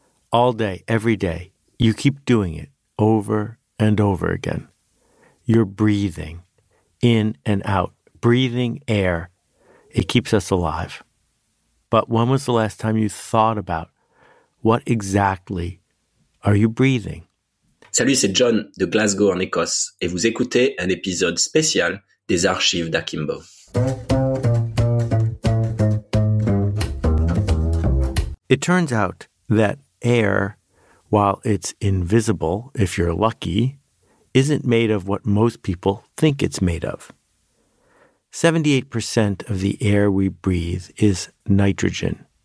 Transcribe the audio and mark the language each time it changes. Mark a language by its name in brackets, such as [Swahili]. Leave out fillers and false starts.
[English] All day, every day, you keep doing it over and over again. You're breathing in and out, breathing air. It keeps us alive. But when was the last time you thought about what exactly are you breathing? [French] Salut, c'est John de Glasgow en Écosse et vous écoutez un épisode spécial des archives d'Akimbo. [English] It turns out that air, while it's invisible if you're lucky, isn't made of what most people think it's made of. 78% of the air we breathe is nitrogen.